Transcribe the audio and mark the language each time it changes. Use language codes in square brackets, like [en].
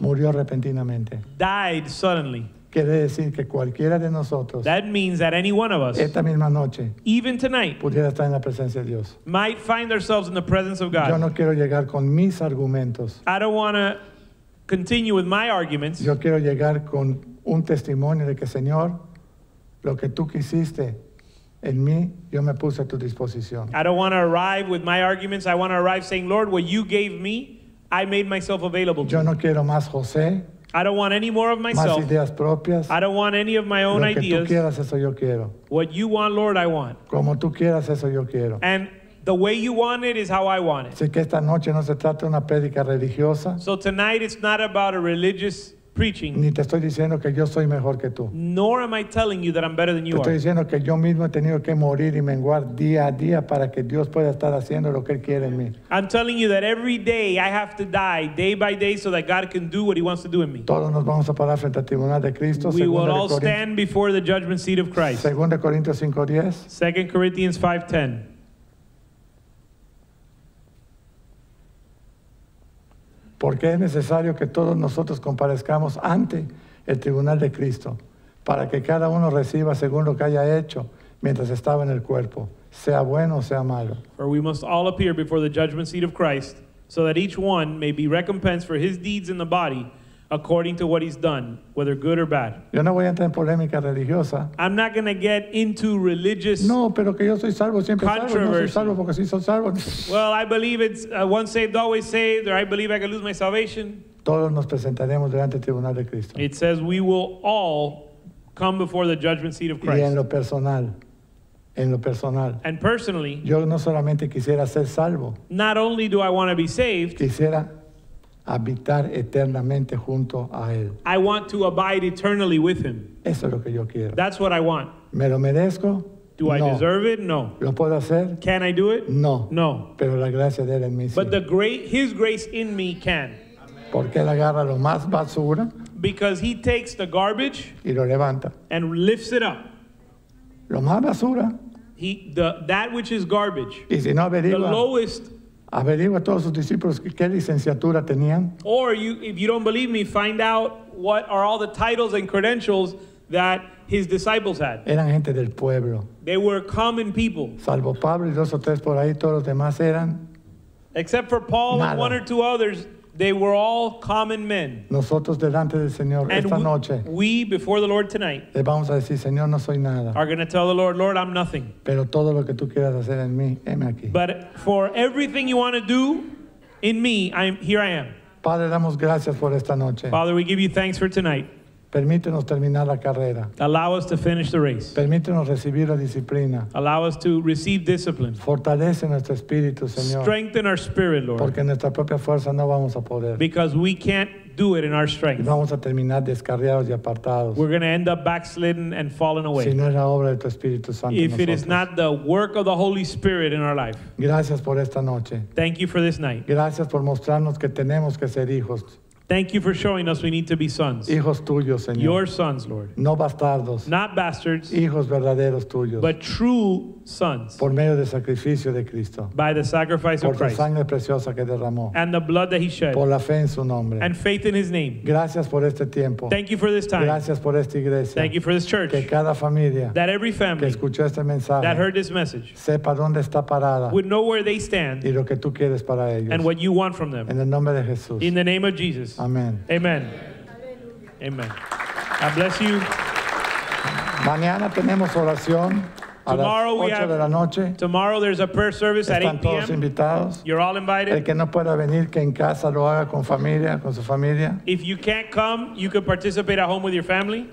[es] murió repentinamente. [en] Died suddenly. [es] Quiere decir que cualquiera de nosotros, [en] that means that any one of us, [es] esta misma noche, [en] even tonight, [es] pudiera estar en la presencia de Dios, [en] might find ourselves in the presence of God. [es] Yo no quiero llegar con mis argumentos. [en] I don't want to continue with my arguments. [es] Yo quiero llegar con un testimonio de que Señor, lo que tú quisiste en mí, yo me puse a tu disposición. [en] I don't want to arrive with my arguments. I want to arrive saying, Lord, what you gave me, I made myself available to [es] you. Yo no quiero más José. [en] I don't want any more of myself. [es] Más ideas propias. [en] I don't want any of my own ideas. [es] Lo que tú quieras, eso yo quiero. [en] What you want, Lord, I want. [es] Como tú quieras, eso yo quiero. [en] And the way you want it is how I want it. [es] Así que esta noche no se trata de una prédica religiosa. [en] So tonight it's not about a religious preaching. [es] Ni te estoy diciendo que yo soy mejor que tú. [en] Nor am I telling you that I'm better than you are. [es] Te estoy diciendo que yo mismo he tenido que morir y menguar día a día para que Dios pueda estar haciendo lo que Él quiere en mí. [en] I'm telling you that every day I have to die day by day so that God can do what He wants to do in me. [es] Todos nos vamos a parar frente al tribunal de Cristo. [en] We will all stand before the judgment seat of Christ. [es] 2 Corintios 5:10. [en] 2 Corinthians 5:10. [es] Porque es necesario que todos nosotros comparezcamos ante el tribunal de Cristo para que cada uno reciba según lo que haya hecho mientras estaba en el cuerpo, sea bueno o sea malo. [en] For we must all appear before the judgment seat of Christ so that each one may be recompensed for his deeds in the body according to what he's done, whether good or bad. [es] Yo no voy a entrar en polémica religiosa. [en] I'm not going to get into religious [es] controversy. No, pero que yo soy salvo, siempre salvo. No soy salvo porque sí soy salvo. [en] Well, I believe it's once saved, always saved, or I believe I can lose my salvation. [es] Todos nos presentaremos delante del tribunal de Cristo. [en] It says we will all come before the judgment seat of Christ. [es] Y en lo personal. [en] And personally, [es] yo no solamente quisiera ser salvo. [en] Not only do I want to be saved, [es] quisiera habitar eternamente junto a Él. [en] I want to abide eternally with Him. [es] Eso es lo que yo quiero. [en] That's what I want. [es] ¿Me lo merezco? [en] Do I deserve it? No. [es] ¿Lo puedo hacer? [en] Can I do it? [es] No. No. Pero la gracia de Él en mí sí. [en] But His grace in me can. [es] Porque Él agarra lo más basura. [en] Because He takes the garbage. [es] Y lo levanta. [en] And lifts it up. [es] Lo más basura. [en] That which is garbage. [es] Y si no averigua. [en] The lowest. [es] Averigua a todos sus discípulos qué licenciatura tenían. [en] Or you, if you don't believe me, find out what are all the titles and credentials that his disciples had. [es] Eran gente del pueblo. [en] They were common people. [es] Salvo Pablo y dos o tres por ahí, todos los demás eran. [en] Except for Paul [es] nada. [en] And one or two others, they were all common men. [es] Nosotros delante del Señor [en] and [es] esta noche. [en] We before the Lord tonight. [es] Le vamos a decir, Señor, no soy nada. [en] Are going to tell the Lord, Lord, I'm nothing. [es] Pero todo lo que tú quieras hacer en mí, heme aquí. [en] But for everything you want to do in me, here I am. [es] Padre, damos gracias por esta noche. [en] Father, we give you thanks for tonight. [es] Permítenos terminar la carrera. [en] Allow us to finish the race. [es] Permítenos recibir la disciplina. [en] Allow us to receive discipline. [es] Fortalece nuestro espíritu, Señor. [en] Strengthen our spirit, Lord. [es] Porque en nuestra propia fuerza no vamos a poder. [en] Because we can't do it in our strength. [es] Y vamos a terminar descarriados y apartados. [en] We're going to end up backslidden and falling away. [es] Si no es la obra de tu Espíritu Santo en nosotros. [en] If it is not the work of the Holy Spirit in our life. [es] Gracias por esta noche. [en] Thank you for this night. [es] Gracias por mostrarnos que tenemos que ser hijos. [en] Thank you for showing us we need to be sons. [es] Hijos tuyos, Señor. [en] Your sons, Lord. [es] No bastardos. [en] Not bastards. [es] Hijos verdaderos tuyos. [en] But true sons. [es] Por medio del sacrificio de Cristo. [en] By the sacrifice [es] por [en] of Christ. [es] Por la sangre preciosa que derramó. [en] And the blood that he shed. [es] Por la fe en su nombre. [en] And faith in his name. [es] Gracias por este tiempo. [en] Thank you for this time. [es] Gracias por esta iglesia. [en] Thank you for this church. [es] Que cada familia. [en] That every family. [es] Que escuchó este mensaje. [en] That heard this message. [es] Sepa dónde está parada. [en] Would know where they stand. [es] Y lo que tú quieres para ellos. [en] And what you want from them. [es] En el nombre de Jesús. [en] In the name of Jesus. Amen. Amen. Amen. God bless you. [es] Mañana tenemos oración a [en] tomorrow [es] las 8 [en] we have, [es] de la noche. [en] Tomorrow there's a prayer service [es] están [en] at 8 p.m. [es] Todos invitados. [en] You're all invited. [es] El que no pueda venir, que en casa lo haga con familia, con su familia. [en] If you can't come, you can participate at home with your family.